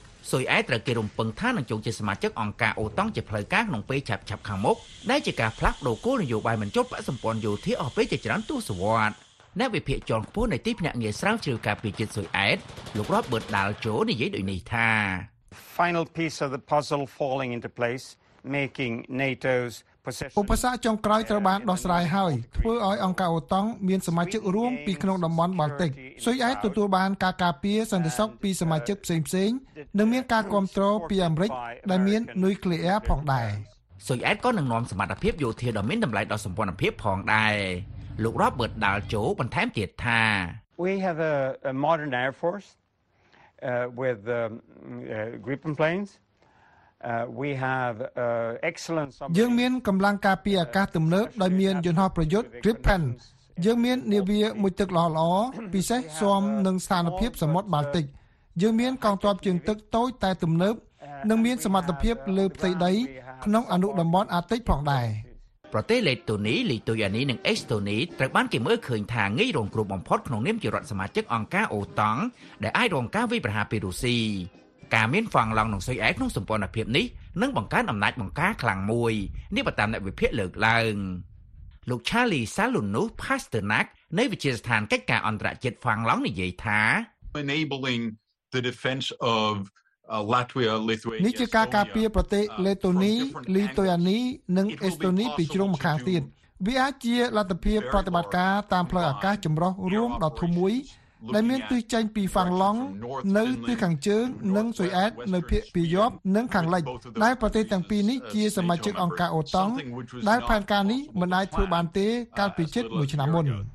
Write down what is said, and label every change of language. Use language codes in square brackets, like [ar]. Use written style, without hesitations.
[km] ស៊ុយអែតត្រូវគេរំពឹងថានឹងចូលជាសមាជិកអង្គការអូតង់ជាផ្លូវការក្នុងពេលឆាប់ៗខាងមុខដែលជាការផ្លាស់ប្តូរគោលនយោបាយមិនចុះបកសម្ព័ន្ធយោធាអស់ពេលជាច្រើនទសវត្សរ៍អ្នកវិភាគជាន់ខ្ពស់នៃទីភ្នាក់ងារស្រាវជ្រាវការពារជាតិស៊ុយអែតលោករ៉ូបឺតដាល់ជូនិយាយដូចនេះថា [en] Final piece of the puzzle falling into place making NATO's [km] ឧបសគ្គចុងក្រោយត្រូវបានដោះស្រាយហើយធ្វើឲ្យអង្គការអូតង់មានសមាជិករួមពីក្នុងតំបន់បាល់តិកស៊ុយអែតទទួលបានការការពារសន្តិសុខពីសមាជិកផ្សេងៗនិងមានការគ្រប់គ្រងពីអាមេរិកដែលមាននុយក្លេអ៊ែរផងដែរ ស៊ុយអែតក៏នឹងនាំសមត្ថភាពយោធាដ៏មានតម្លៃដល់សម្ព័ន្ធភាពផងដែរលោករ៉ូបឺតដាល់ជូបន្ថែមទៀតថា [en] We have a modern air force with Gripen planesWe have excellent [km] យើងមានកម្លាំងការពារអាកាសទំនើបដោយមានយន្តហោះប្រយុទ្ធ Gripen យើងមាននាវាមួយទឹកល្អពិសេសស្វមនឹងស្ថានភាពសមុទ្របាល់តិកយើងមានកងទ័ពជើងទឹកតូចតែទំនើបនិងមានសមត្ថភាពលើផ្ទៃដីក្នុងអនុតំបន់អាតិចផងដែរ ប្រទេសលីតូនីនិងអេស្តូនីត្រូវបានគេមើលឃើញថាងាយរងគ្រោះបំផុតក្នុងនាមជារដ្ឋសមាជិកអង្គការអូតង់ដែលអាចរងការវាយប្រហារពីរុស្ស៊ីការមានហ្វាំងឡង់ក្នុងស៊ុយអែតក្នុងសម្ព័ន្ធភាពនេះនឹងបង្កើនអំណាចបង្ការខ្លាំងមួយនេះបើតាមអ្នកវិភាគលើកឡើងលោកឆាលីសាលូននោះផាសទឺណាក់នៃវិទ្យាស្ថានកិច្ចការអន្តរជាតិហ្វាំងឡង់និយាយថា [en] Enabling the defense of Latvia, Lithuania [km] នេះជាការការពារប្រទេសលេតូនីលីទុយានីនិងអេស្តូនីពីជ្រុងម្ខាងទៀតវាអាចជាលទ្ធភាពប្រតិបត្តិការតាមផ្លូវអាកាសចម្រុះរួមដល់ធំមួយដែលមានទិសចេញពីហ្វាំងឡង់នៅទិសខាងជើងនិងស៊ុយអែតនៅភាគពាយ័ព្យនិងខាងលិចដែលប្រទេសទាំងពីរនេះជាសមាជិកអង្គការអូតង់ដែលផែនការនេះមិនអាចធ្វើបានទេកាលពីជិតមួយឆ្នាំមុន